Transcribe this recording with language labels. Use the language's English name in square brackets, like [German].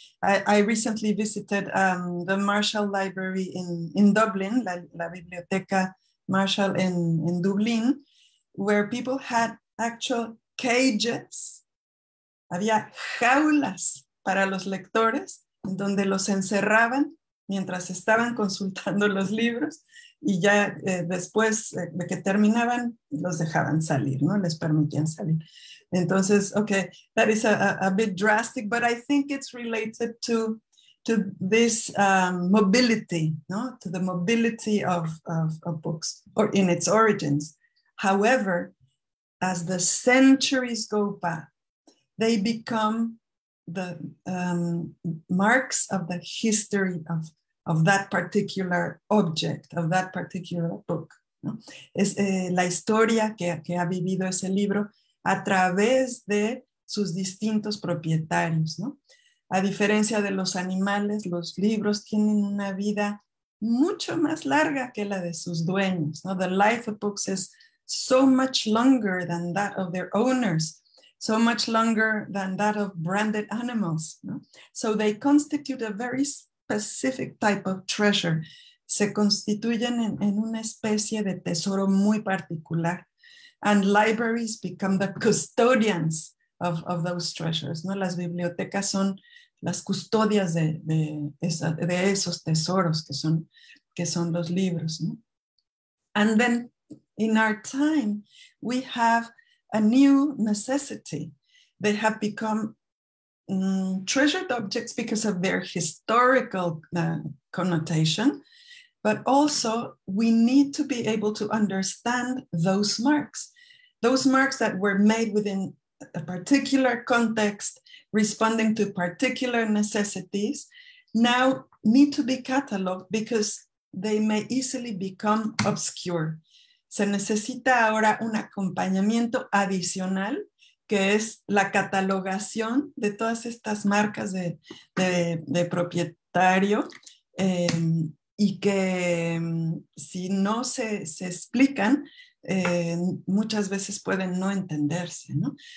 [English] I recently visited the Marshall Library in Dublin, [Spanish] la biblioteca Marshall [English] in Dublin, where people had actual cages. [Spanish] Había jaulas para los lectores, donde los encerraban mientras estaban consultando los libros, y ya después de que terminaban, los dejaban salir, ¿no? Les permitían salir. [English] Entonces, okay, that is a bit drastic, but I think it's related to this mobility, no? To the mobility of books, or in its origins. However, as the centuries go by, they become the marks of the history of that particular object, of that particular book. No? [Spanish] Es la historia que ha vivido ese libro a través de sus distintos propietarios, no? A diferencia de los animales, los libros tienen una vida mucho más larga que la de sus dueños. ¿No? [English] The life of books is so much longer than that of their owners, so much longer than that of branded animals. ¿No? So they constitute a very specific type of treasure. [Spanish] Se constituyen en una especie de tesoro muy particular. [English] And libraries become the custodians of those treasures. ¿No? [Spanish] Las bibliotecas son las custodias de esos tesoros que son los libros. ¿No? [English] And then in our time, we have a new necessity. They have become treasured objects because of their historical connotation, but also we need to be able to understand those marks. Those marks that were made within a particular context, responding to particular necessities, now need to be cataloged because they may easily become obscure. [Spanish] Se necesita ahora un acompañamiento adicional, que es la catalogación de todas estas marcas de propietario, y que si no se explican, muchas veces pueden no entenderse, ¿no?